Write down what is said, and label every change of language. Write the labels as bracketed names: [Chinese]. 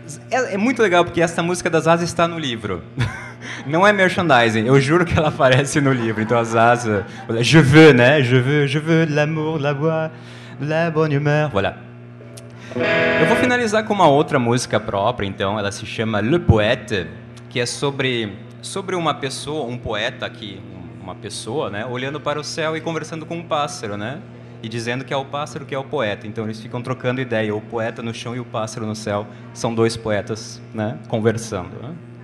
[Portuguese] É muito legal, porque essa música das Zaz está no livro. Não é merchandising. Eu juro que ela aparece no livro. Então, as Zaz... [French] Je veux, [Portuguese] né? [French] Je veux de l'amour, de la voix, de la bonne humeur. Voilà. [Portuguese] Eu vou finalizar com uma outra música própria, então. Ela se chama Le Poète, que é sobre uma pessoa, um poeta aqui, uma pessoa, né, olhando para o céu e conversando com um pássaro, né, e dizendo que é o pássaro que é o poeta. Então eles ficam trocando ideia, o poeta no chão e o pássaro no céu, são dois poetas, né, conversando, né?